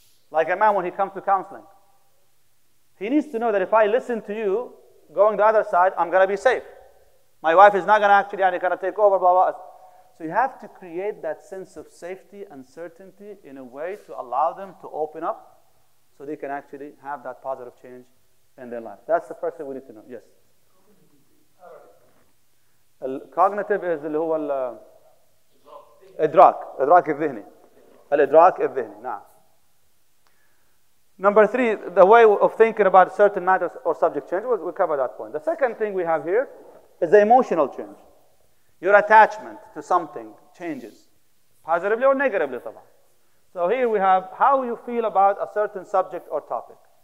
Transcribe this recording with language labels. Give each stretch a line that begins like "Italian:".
English: Like a man when he comes to counseling. He needs to know that if I listen to you going the other side, I'm going to be safe. My wife is not going to actually and gonna take over, blah, blah. So you have to create that sense of safety and certainty in a way to allow them to open up so they can actually have that positive change in their life. That's the first thing we need to know. Yes. Cognitive is
Arabic: اللي هو ال إدراك إدراك الذهني الإدراك الذهني نعم.
English: Number three, the way of thinking about certain matters or subject change, we cover that point. The second thing we have here is the emotional change. Your attachment to something changes, positively or negatively. So here we have how you feel about a certain subject or topic.